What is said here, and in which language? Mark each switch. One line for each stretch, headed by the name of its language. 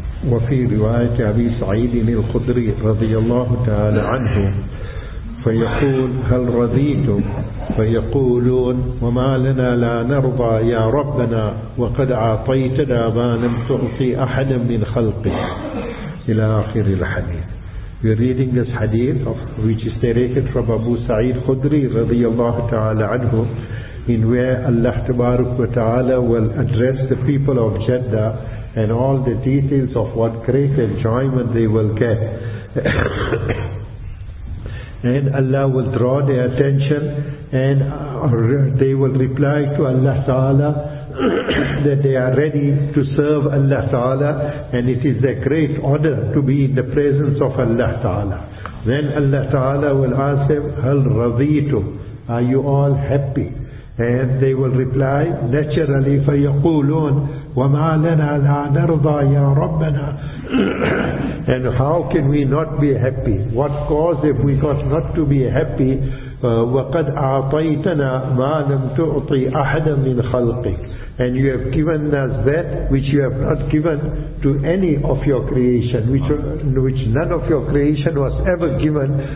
Arabic: وفي رواية أبي سعيد الخدري رضي الله تعالى عنه فيقول: هل رضيتم؟ فيقولون: وما لنا لا نرضى يا ربنا، وقد أعطيتنا ما لم تعطي أحدا من خلقك، إلى آخر الحديث.
English: We're reading this hadith of which is narrated from Abu Sa'id Khudri radiyallahu ta'ala anhu, in where Allah tabaruk wa ta'ala will address the people of Jeddah and all the details of what great enjoyment they will get. And Allah will draw their attention and they will reply to Allah ta'ala that they are ready to serve Allah Ta'ala, and it is their great honor to be in the presence of Allah Ta'ala. Then Allah Ta'ala will ask them,
Arabic: Hal Radhitu,
English: are you all happy? And they will reply, naturally,
Arabic: فَيَقُولُونَ وَمَا لَنَا لَا نَرْضَى يَا رَبَّنَا.
English: And how can we not be happy? What cause have we got not to be happy?
Arabic: وَقَدْ أَعْطَيْتَنَا مَا لَمْ تُعْطِي أَحَدًا مِنْ خَلْقِكَ.
English: And you have given us that which you have not given to any of your creation, which none of your creation was ever given.